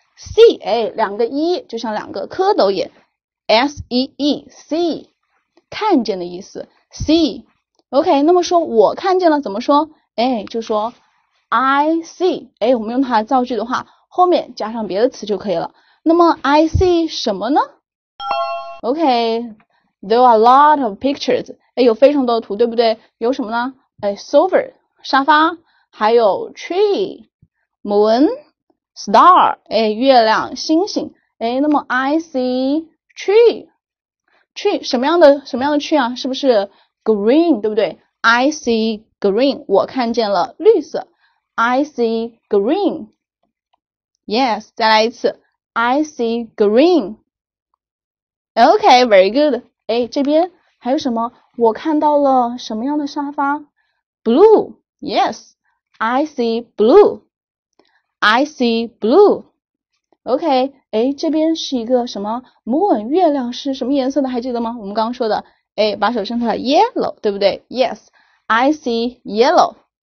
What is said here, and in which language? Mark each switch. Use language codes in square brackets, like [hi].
[zh] See, 哎，两个 E, 就像两个蝌蚪眼。S-E-E, see, 看见的意思。 See,OK, 那么说我看见了怎么说？哎，就说 I see, 哎，我们用它来造句的话，后面加上别的词就可以了。那么 I see 什么呢？ [en] OK, there are a lot of pictures, [zh] 哎，有非常多的图，对不对？有什么呢？哎， sofa, 沙发，还有 tree, moon, star, 哎，月亮，星星。哎，那么 I see tree, tree, 什么样的 tree 啊？是不是Green, 对不对？ [en] I see green, [zh] 我看见了绿色。 [en] I see green. Yes, 再来一次。I see green. Okay, very good. [zh] 哎，这边还有什么？我看到了什么样的沙发？Blue. [en] Yes, I see blue. I see blue. Okay. [zh] 哎，这边是一个什么？木偶月亮是什么颜色的？还记得吗？我们刚刚说的。哎，把手伸出来，yellow，对不对？ [en] Yes, I see yellow.